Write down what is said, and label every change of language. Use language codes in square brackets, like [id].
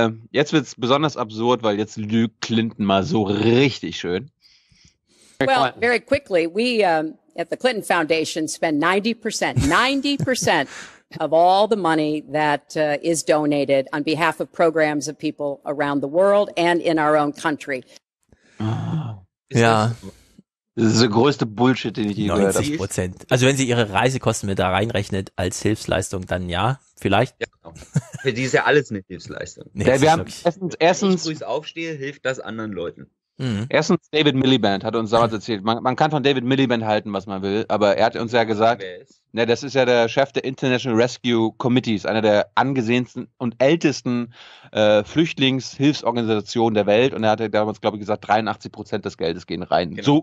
[de] Jetzt wird es besonders absurd, weil jetzt lügt Clinton mal so richtig schön. [en] Well, very quickly, we at the Clinton Foundation spend 90% of all the money that is donated on behalf of programs of people around the world and in our own country. [de] Oh, ja. Das ist der größte Bullshit, den ich je gehört habe. 90%. Also wenn sie ihre Reisekosten mit da reinrechnet als Hilfsleistung, dann ja, vielleicht. Ja, genau. Für die ist ja alles eine Hilfsleistung. Nee, wir haben erstens, wenn ich früh aufstehe, hilft das anderen Leuten. Mhm. Erstens, David Miliband hat uns damals erzählt, man kann von David Miliband halten, was man will, aber er hat uns ja gesagt, ne, das ist ja der Chef der International Rescue Committees, einer der angesehensten und ältesten Flüchtlingshilfsorganisationen der Welt, und er hat damals, glaube ich, gesagt, 83% des Geldes gehen rein. Genau.